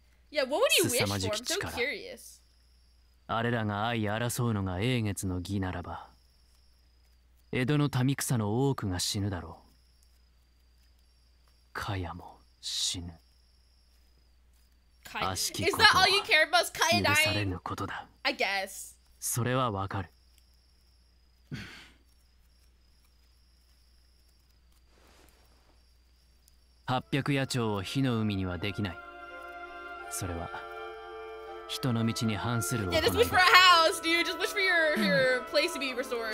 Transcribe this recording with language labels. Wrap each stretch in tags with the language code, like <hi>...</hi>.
<en>Yeah, what would you wish for? I'm so curious.</en> <ja>あれらが愛争うのが英月の儀ならば、江戸の民草の多くが死ぬだろう。カヤも死ぬ。悪しきことは許されぬことだ。</ja> <en>I guess.</en> <ja>それはわかる。八百野鳥を火の海にはできない。それは人の道に反する行いだ。</ja> <en>Yeah, just wish for a house, dude. Just wish for your place to be restored.</en>